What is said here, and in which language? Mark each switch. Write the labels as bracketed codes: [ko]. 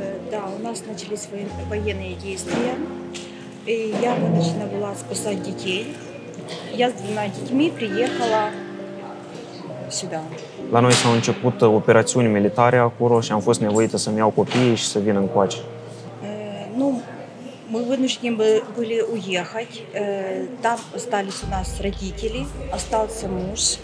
[ru] Да, у нас начались военные действия. И я вынуждена была спасать детей. Я с двумя детьми приехала сюда. [ro] La noi s-au început operațiuni militare acolo și am fost nevoită să-mi iau copiii și să vin încoace. [ru] Nu, мы вынуждены были уехать. Там остались у нас родители, остался муж.